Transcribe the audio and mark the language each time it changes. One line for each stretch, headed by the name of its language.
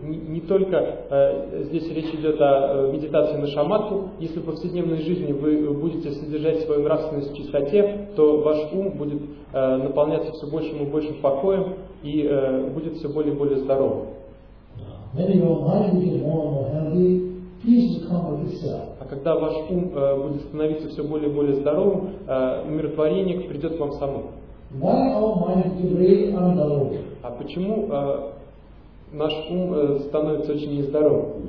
Russian: Не только здесь речь идет о медитации на шаматху. Если в повседневной жизни вы будете содержать свою нравственность в чистоте, то ваш ум будет наполняться все большим и большим покоем и будет все более и более здоровым.
English: Then your mind will get more and more healthy. Peace will come with itself.
Russian: А когда ваш ум будет становиться все более и более здоровым, умиротворение придет к вам само.
English: Why our mind is really unbalanced?
Russian: А почему наш ум становится очень нездоровым?